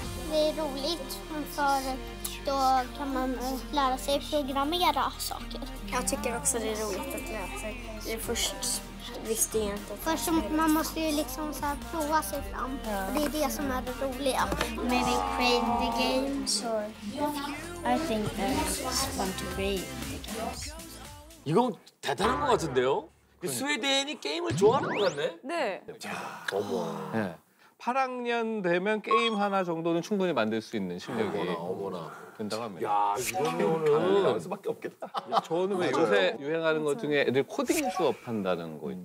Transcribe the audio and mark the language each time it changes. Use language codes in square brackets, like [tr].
[sv] det är roligt för då kan man lära sig programmera saker. Jag tycker också det är roligt att lära sig. Det är först visste jag inte. Först man måste ju liksom så här prova sig fram. Ja. Det är det som är det roliga. [en] Maybe create the games or I think that's fun to create the games. [ko] 이건 대단한 것 같은데요? 스웨덴이 게임을 좋아하는 것 같네? 네. 자, 어머. 네. 8학년 되면 게임 하나 정도는 충분히 만들 수 있는 실력이 어머나, 된다고 합니다. 야, 이거는 할 수밖에 없겠다. 저는 왜 요새 유행하는 것 중에 애들 코딩 수업 한다는 거 있잖아요.